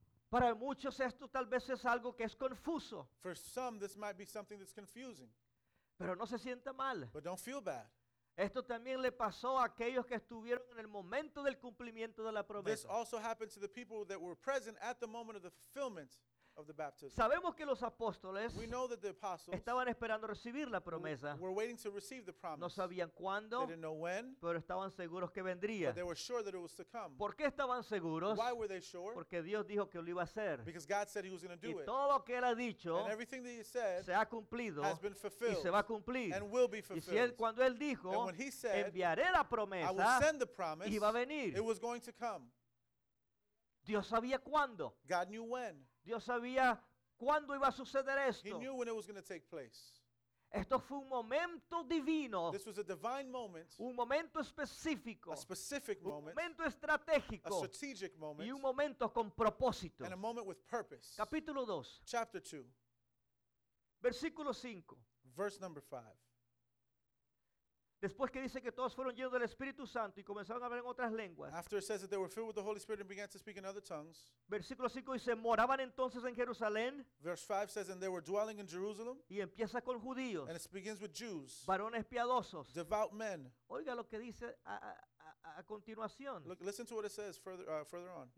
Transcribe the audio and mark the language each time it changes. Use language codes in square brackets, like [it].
[es] Para muchos esto tal vez es algo que es confuso. [en] For some this might be something that's confusing. [es] Pero no se sienta mal. [en] But don't feel bad. [es] Esto también le pasó a aquellos que estuvieron en el momento del cumplimiento de la promesa. [en] This also happened to the people that were present at the moment of the fulfillment of the baptism. [es] Sabemos que los apóstoles [en] We know that the apostles [es] estaban esperando recibir la promesa. [en] Were waiting to receive the promise. [es] No sabían cuándo, [en] they didn't know when, [es] pero estaban seguros que vendría. [en] But they were sure that it was to come. [es] ¿Por qué estaban seguros? [en] Why were they sure? [es] Porque Dios dijo que lo iba a hacer. [en] Because God said he was going to do it. [es] Y todo lo que él ha dicho [en] and everything that he said [es] se ha cumplido [en] has been fulfilled [es] y se va a cumplir. [en] And will be fulfilled. [es] Y si él, cuando él dijo, [en] and when he said, [es] enviaré la promesa, [en] I will send the promise, [es] iba a venir. [en] It was going to come. [es] Dios sabía cuándo. [en] God knew when. [es] Dios sabía cuándo iba a suceder esto. [en] He knew when it was going to take place. [es] Esto fue un momento divino. [en] This was a divine moment. [es] Un momento específico. [en] A specific moment. [es] Un momento estratégico. [en] A strategic moment. [es] Y un momento con propósito. [en] And a moment with purpose. [es] Capítulo 2. [en] Chapter 2. [es] Versículo 5. [en] Verse number 5. [es] Después que dice que todos fueron llenos del Espíritu Santo y comenzaron a hablar en otras lenguas. [en] After it says that they were filled with the Holy Spirit and began to speak in other tongues. [es] Versículo 5 dice, moraban entonces en Jerusalén. [en] Verse 5 says, and they were dwelling in Jerusalem. [es] Y empieza con judíos. [en] And it begins with Jews. [es] Varones piadosos. [en] Devout men. [es] Oiga lo que dice a continuación. [en] Look, listen to what it says further on.